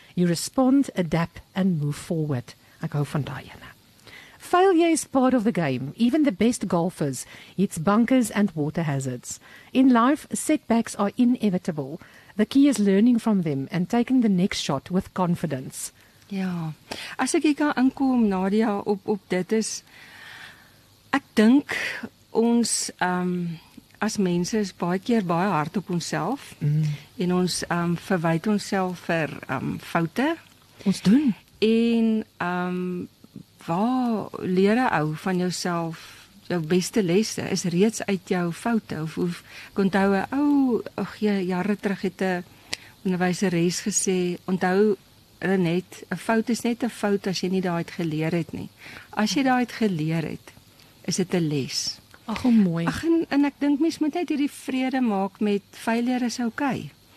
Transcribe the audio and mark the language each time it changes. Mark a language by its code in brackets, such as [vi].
[en] You respond, adapt and move forward. [af] Ek hou van daai ene. [en] Failure is part of the game. Even the best golfers hits bunkers and water hazards. In life, setbacks are inevitable. The key is learning from them and taking the next shot with confidence. [af] Ja, as ek hier kan inkom, Nadia, op dit is, ek dink ons as mense is baie keer baie hard op onsself en ons verwyd onsself vir foute. Ons doen. En waar leer ou van jouself, jou beste lesse is reeds uit jou foute. Of ek onthou, jare terug het 'n onderwyseres gesê, onthou, Renette, 'n fout is net 'n fout as jy nie daai het geleer het nie. As jy daai het geleer het, is dit 'n les. Ag, hoe mooi. Ag, en ek dink mens moet net hierdie vrede maak met [en] failure is okay.